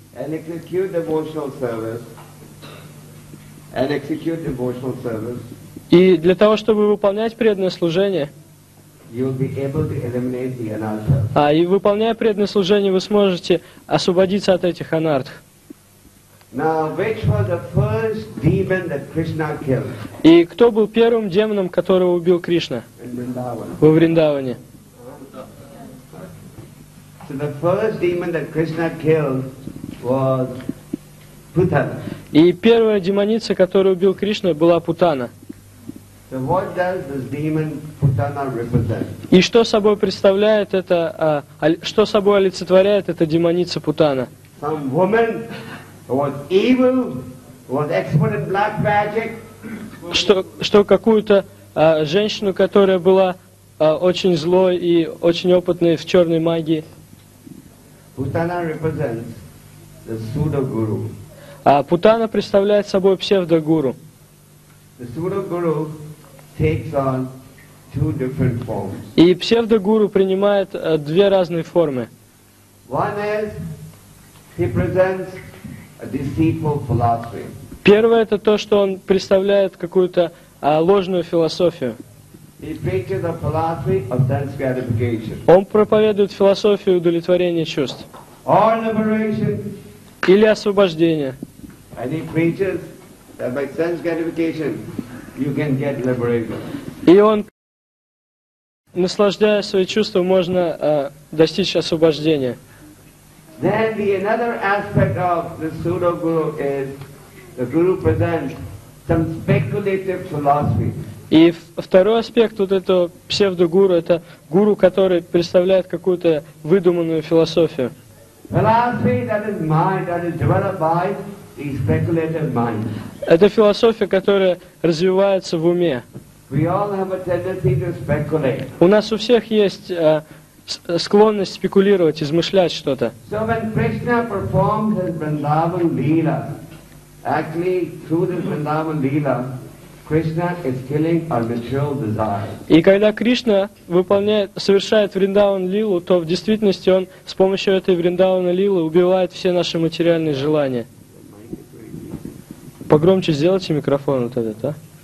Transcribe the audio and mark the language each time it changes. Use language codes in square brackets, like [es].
[en] And execute devotional service. And execute devotional service. [ru] И для того, чтобы выполнять преданное служение, [en] you'll be able to eliminate the anartha. [ru] А и выполняя преданное служение, вы сможете освободиться от этих анартх. [en] Now, which was the first demon that Krishna killed? [ru] И кто был первым демоном, которого убил Кришна? Во Вриндаване. [en] So the first demon that Krishna killed was Putana. [ru] И первая демоница, которую убил Кришна, была Путана. [en] So what does this demon Putana represent? [ru] И что собой представляет это, что собой олицетворяет эта демоница Путана? [en] Some woman. Was evil, was expert in black magic. [ru] Что какую-то женщину, которая была очень злой и очень опытной в черной магии. [en] Путана represents the pseudo guru. [ru] А Путана представляет собой псевдо гуру. [en] The pseudo guru takes on two different forms. [ru] И псевдо гуру принимает две разные формы. [en] One is he presents a deceitful philosophy. [ru] Первое — это то, что он представляет какую-то ложную философию. [en] He preaches a philosophy of sense gratification. [ru] Он проповедует философию удовлетворения чувств. [en] Or liberation. [ru] Или освобождение. [en] And he preaches that by sense gratification you can get liberation. [ru] И он, наслаждаясь своим чувством, можно достичь освобождения. [en] Then the another aspect of the pseudo guru is the guru presents some speculative philosophy. [ru] И второй аспект вот этого псевдо гуру — это гуру, который представляет какую-то выдуманную философию. [en] Philosophy that is mind that is developed by the speculative mind. [ru] Это философия, которая развивается в уме. [en] We all have a tendency to speculate. [ru] У нас у всех есть склонность спекулировать, измышлять что-то. [en] So when Krishna performed his Vrindavan Leela, actually through this Vrindavan Leela, Krishna is killing our material desire. [ru] И когда Кришна выполняет, совершает Вриндаван Лилу, то в действительности он с помощью этой Вриндавана Лилы убивает все наши материальные желания. Погромче сделайте микрофон вот этот, а?